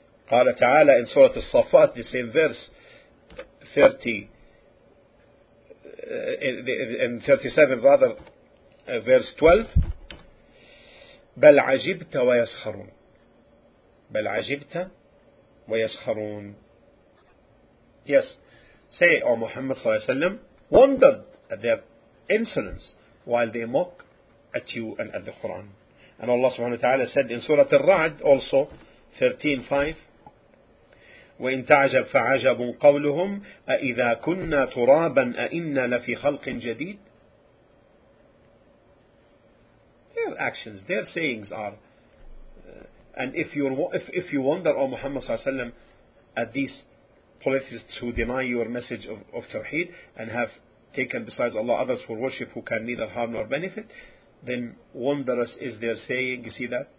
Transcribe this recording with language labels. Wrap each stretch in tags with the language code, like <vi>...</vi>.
<ar>قال تعالى</ar> <en>in Surah As-Saffat, the same verse 37, verse 12,</en> <ar>بل عجبت ويسخرون. بل عجبت ويسخرون.</ar> <en>Yes, say, O Muhammad صلى الله عليه وسلم, wondered at their insolence while they mock at you and at the Quran. And Allah subhanahu wa ta'ala said in Surah Al-Ra'd also, 13:5,</en> <ar>وَإِن تَعْجَبْ فَعَجَبٌ قَوْلُهُمْ أَإِذَا كُنَّا تُرَابًا أَإِنَّا لَفِي خَلْقٍ جَدِيدٍ.</ar> <en>Their actions, their sayings are, and if you wonder, O Muhammad صلى الله عليه وسلم, at these politicians who deny your message of Tawheed and have taken besides Allah others for worship who can neither harm nor benefit, then wondrous is their saying. You see that?</en>